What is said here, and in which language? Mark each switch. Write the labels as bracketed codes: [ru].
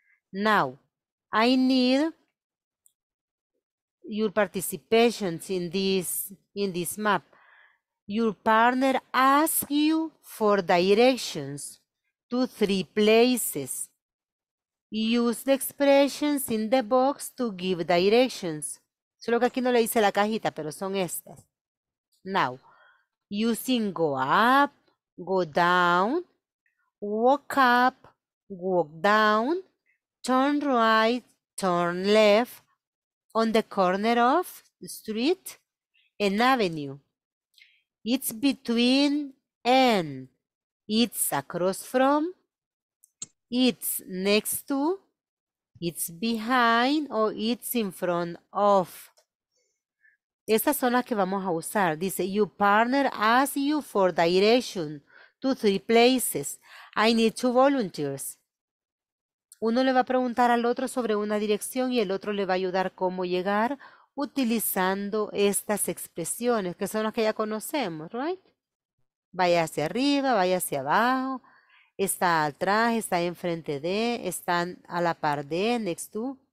[en] Now, I need your participations in this map. Your partner asks you for directions to three places. Use the expressions in the box to give directions. [es] Solo que aquí no le dice la cajita, pero son estas. [en] Now, using go up, go down, walk up, walk down, turn right, turn left, on the corner of the street and avenue. It's between and, it's across from, it's next to, it's behind, or it's in front of. [es] Estas son las que vamos a usar. Dice, [en] your partner asks you for direction to three places. I need two volunteers. [es] Uno le va a preguntar al otro sobre una dirección y el otro le va a ayudar cómo llegar utilizando estas expresiones, que son las que ya conocemos, right? Vaya hacia arriba, vaya hacia abajo, está atrás, está enfrente de, están a la par de, [en] next to.